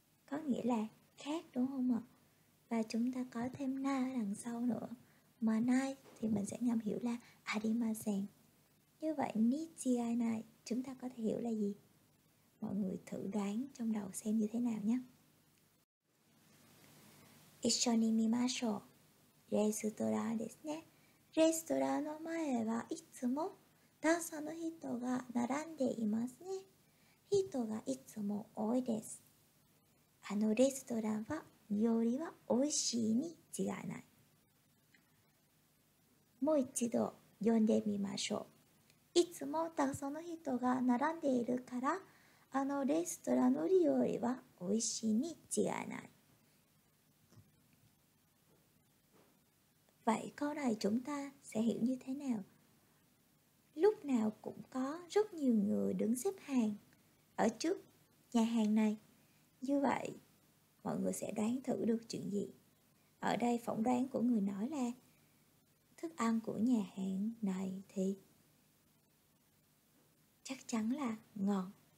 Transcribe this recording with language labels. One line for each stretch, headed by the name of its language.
Vietnamese: Có nghĩa là khác đúng không ạ? Và chúng ta có thêm na ở đằng sau nữa. Mà nai thì mình sẽ ngầm hiểu là arimasen. Như vậy ni chigai nai chúng ta có thể hiểu là gì? Mọi người thử đoán trong đầu xem như thế nào nhé.
Japanese: 一緒に見ましょう。レストランですね。レストランの前はいつもたくさんの人が並んでいますね。人がいつも多いです。あのレストランは料理は美味しいに違いない。もう一度読んでみましょう。いつもたくさんの人が並んでいるから あのレストランの料理は美味しいに違いない。
Vietnamese: Vậy câu này chúng ta sẽ hiểu như thế nào? Lúc nào cũng có rất nhiều người đứng xếp hàng ở trước nhà hàng này. Như vậy, mọi người sẽ đoán thử được chuyện gì? Ở đây phỏng đoán của người nói là thức ăn của nhà hàng này thì chắc chắn là ngon.